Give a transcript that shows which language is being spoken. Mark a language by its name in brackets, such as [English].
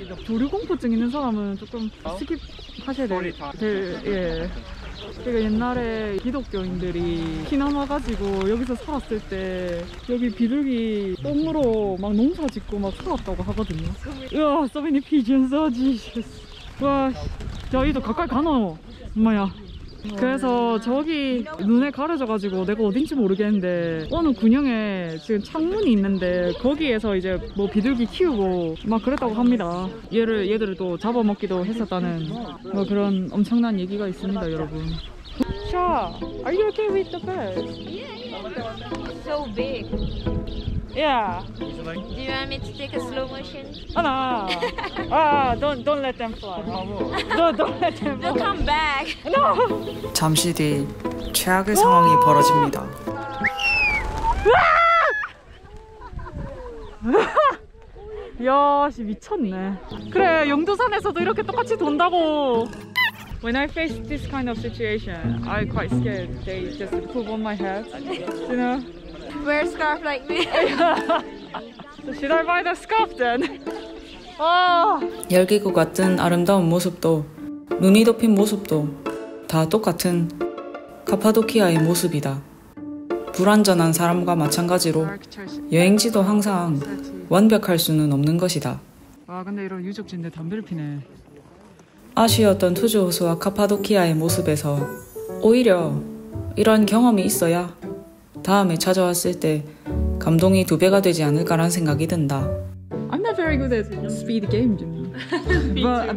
[Korean] 조류 공포증 있는 사람은 조금 스킵 하셔야 돼. 예. 그러니까 옛날에 기독교인들이 키 남아가지고 여기서 살았을 때 여기 비둘기 똥으로 막 농사 짓고 막 살았다고 하거든요. [English] 우와, so many pigeons, oh Jesus. [Korean] 와, 저기 더 가까이 가노. 엄마야. 그래서 저기 눈에 가려져가지고 내가 어딘지 모르겠는데 어느 군영에 지금 창문이 있는데 거기에서 이제 뭐 비둘기 키우고 막 그랬다고 합니다. 얘들을 또 잡아먹기도 했었다는 뭐 그런 엄청난 얘기가 있습니다, 여러분. [English] 샤, are you okay with the bird? Yeah, yeah. It's so big. Yeah. Do you want me to take a slow motion? Oh, no. don't let them fly. Don't let them fly. They'll come back. No. [Korean] 잠시 뒤 최악의 상황이 벌어집니다. 야, 씨 미쳤네. 그래, 영도산에서도 이렇게 똑같이 돈다고. [English] When I face this kind of situation, I quite scared. They just poop on my head. You know. Wear a scarf like me. So should I buy the scarf then? [Korean] 열기구 같은 아름다운 모습도 눈이 덮인 모습도 다 똑같은 카파도키아의 모습이다. 불완전한 사람과 마찬가지로 여행지도 항상 완벽할 수는 없는 것이다. 와, 근데 이런 유적지인데 담배를 피네. 아쉬웠던 투주 호수와 카파도키아의 모습에서 오히려 이런 경험이 있어야 다음에 찾아왔을 때 감동이 두 배가 되지 않을까란 생각이 든다. [English] I'm not very good at speed games, you know.